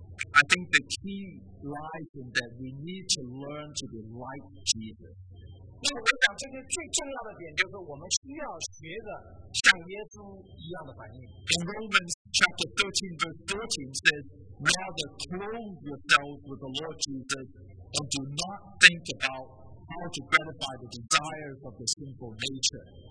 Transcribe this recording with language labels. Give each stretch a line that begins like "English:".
English: I think the key lies in that we need to learn to be like Jesus.
Chinese: 因为我想这个最重要的点就是我们需要学的像耶稣一样的反应。
English: In Romans chapter 13 verse 14 says, rather clothe yourselves with the Lord Jesus and do not think about how to gratify the desires of the sinful nature.